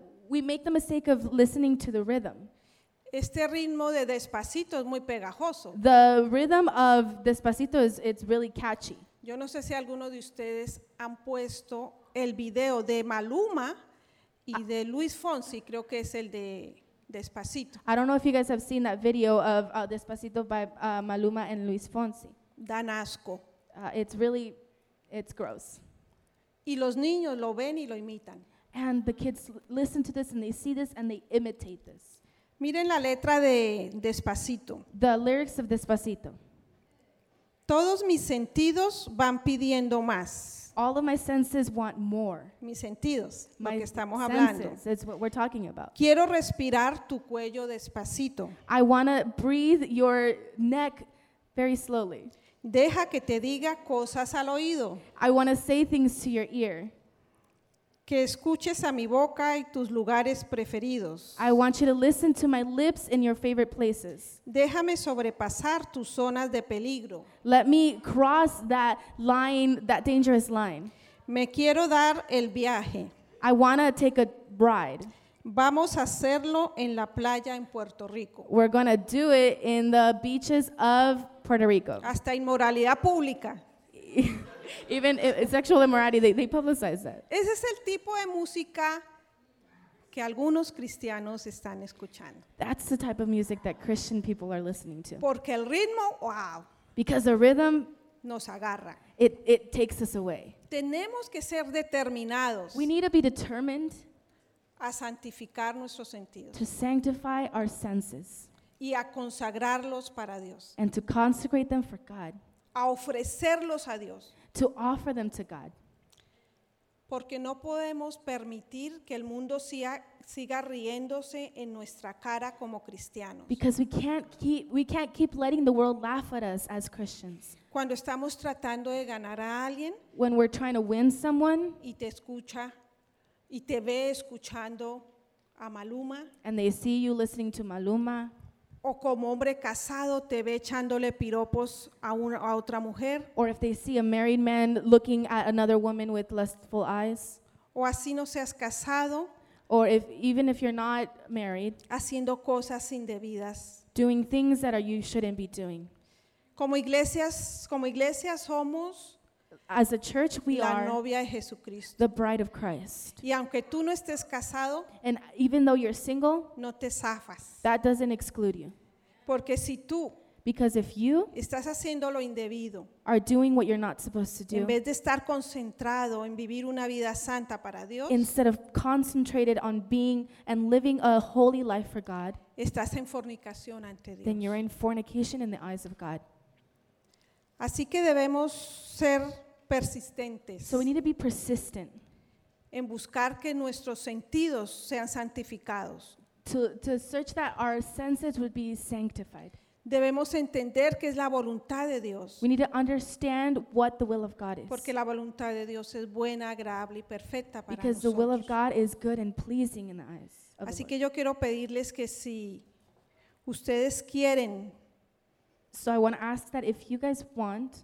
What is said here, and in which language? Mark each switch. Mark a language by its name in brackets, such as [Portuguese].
[English] We make the mistake of listening to the rhythm. [Spanish] Este ritmo de Despacito es muy pegajoso. [English] The rhythm of Despacito it's really catchy. [Spanish] Yo no sé si alguno de ustedes han puesto el video de Maluma y de Luis Fonsi, creo que es el de Despacito. [English] I don't know if you guys have seen that video of Despacito by Maluma and Luis Fonsi. [Spanish] Dan asco. [English] It's gross. [Spanish] Y los niños lo ven y lo imitan. [English] And the kids listen to this and they see this and they imitate this. [Spanish] Miren la letra de Despacito. [English] The lyrics of Despacito. [Spanish] Todos mis sentidos van pidiendo más. [English] All of my senses want more. [Spanish] Mis sentidos, [English] my [Spanish] lo que estamos [English] senses, [Spanish] hablando. [English] It's what we're talking about. [Spanish] Quiero respirar tu cuello despacito. [English] I want to breathe your neck very slowly. [Spanish] Deja que te diga cosas al oído. [English] I want to say things to your ear. [Spanish] Que escuches a mi boca y tus lugares preferidos. [English] I want you to listen to my lips in your favorite places. [Spanish] Déjame sobrepasar tus zonas de peligro. [English] Let me cross that line, that dangerous line. [Spanish] Me quiero dar el viaje. [English] I want to take a ride. [Spanish] Vamos a hacerlo en la playa en Puerto Rico. [English] We're going to do it in the beaches of Puerto Rico. [Spanish] Hasta inmoralidad pública. [English] Even sexual immorality, they publicize that. [Spanish] Ese es el tipo de música que algunos cristianos están escuchando. [English] That's the type of music that Christian people are listening to. [Spanish] Porque el ritmo, wow. [English] Because the rhythm [Spanish] nos agarra. [English] It takes us away. [Spanish] Tenemos que ser determinados. [English] We need to be determined [Spanish] a santificar nuestros sentidos. [English] To sanctify our senses. [Spanish] Y a consagrarlos para Dios. [English] And to consecrate them for God. [Spanish] A ofrecerlos a Dios. [English] To offer them to God. [Spanish] Porque no podemos permitir que el mundo siga riéndose en nuestra cara como cristianos. [English] Because we can't keep letting the world laugh at us as Christians. [Spanish] Cuando estamos tratando de ganar a alguien, [English] when we're trying to win someone, [Spanish] y te escucha y te ve escuchando a Maluma, [English] and they see you listening to Maluma. [Spanish] O como hombre casado te ve echándole piropos a otra mujer. [English] Or if they see a married man looking at another woman with lustful eyes. [Spanish] O así no seas casado. [English] Or if, even if you're not married. [Spanish] Haciendo cosas indebidas. [English] Doing things that you shouldn't be doing. [Spanish] Como iglesia somos. [English] As a church, we [Spanish] la [English] are [Spanish] novia de Jesucristo. [English] The bride of Christ. [Spanish] Y aunque tú no estés casado, [English] and even though you're single, [Spanish] no te zafas. [English] That doesn't exclude you. [Spanish] Porque si tú, [English] because if you [Spanish] estás haciendo lo indebido, [English] are doing what you're not supposed to do, [Spanish] en vez de estar concentrado en vivir una vida santa para Dios, [English] instead of concentrated on being and living a holy life for God, [Spanish] estás en fornicación ante Dios. [English] Then you're in fornication in the eyes of God. [Spanish] Así que debemos ser persistentes. [English] So we need to be persistent. [Spanish] En buscar que nuestros sentidos sean santificados. [English] To search that our senses would be sanctified. [Spanish] Debemos entender que es la voluntad de Dios. [English] We need to understand what the will of God is. [Spanish] Porque la voluntad de Dios es buena, agradable y perfecta para nosotros. [English] Because the will of God is good and pleasing in the eyes of the Lord. [Spanish] Así que yo quiero pedirles que si ustedes quieren. [English] So I want to ask that if you guys want